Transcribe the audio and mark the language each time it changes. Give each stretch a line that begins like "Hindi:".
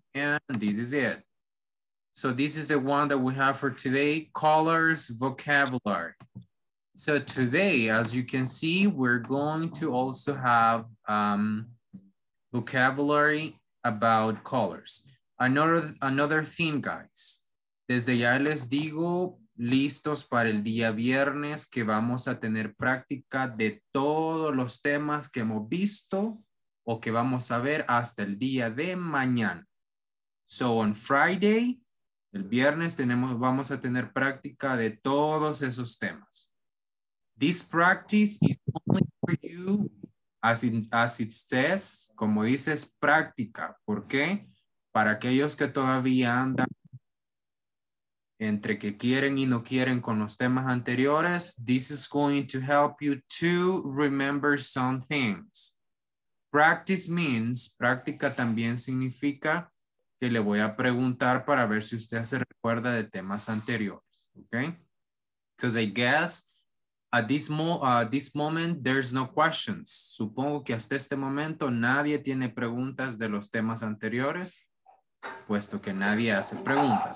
English: And this is it. So this is the one that we have for today, colors vocabulary. So today, as you can see, we're going to also have vocabulary about colors. Another thing, guys.
Spanish: Desde ya les digo, listos para el día viernes que vamos a tener práctica de todos los temas que hemos visto o que vamos a ver hasta el día de mañana.
English: So on Friday,
Spanish: el viernes vamos a tener práctica de todos esos temas.
English: This practice is only for you. As it says,
Spanish: como dices, práctica. ¿Por qué? Para aquellos que todavía andan entre que quieren y no quieren con los temas anteriores,
English: this is going to help you to remember some things. Practice means,
Spanish: práctica también significa que le voy a preguntar para ver si usted se recuerda de temas anteriores.
English: Okay? Because I guess At this moment, there's no questions.
Spanish: Supongo que hasta este momento nadie tiene preguntas de los temas anteriores, puesto que nadie hace preguntas.